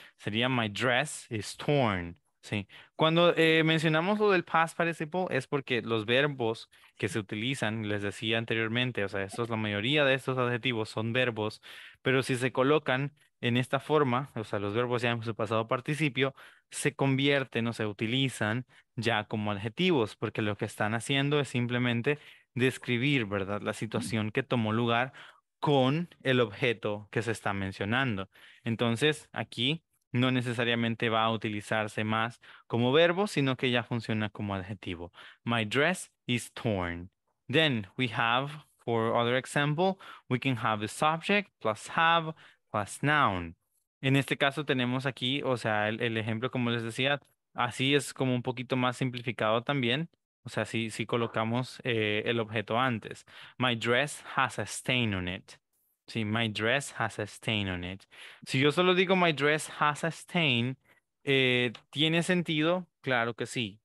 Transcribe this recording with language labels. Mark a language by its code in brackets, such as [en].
[es] Sería [en] my dress is torn. [es] Sí. Cuando mencionamos lo del past participle es porque los verbos que se utilizan, les decía anteriormente, o sea, estos, la mayoría de estos adjetivos son verbos, pero si se colocan en esta forma, o sea, los verbos ya en su pasado participio, se convierten o se utilizan ya como adjetivos, porque lo que están haciendo es simplemente describir, ¿verdad?, la situación que tomó lugar con el objeto que se está mencionando. Entonces, aquí no necesariamente va a utilizarse más como verbo, sino que ya funciona como adjetivo. [en] My dress is torn. Then we have, for other example, we can have the subject plus have plus noun. [es] En este caso tenemos aquí, o sea, el ejemplo, como les decía, así es como un poquito más simplificado también. O sea, si colocamos el objeto antes. [en] My dress has a stain on it. Sí, my dress has a stain on it. [es] Si yo solo digo [en] my dress has a stain, [es] ¿tiene sentido? Claro que sí.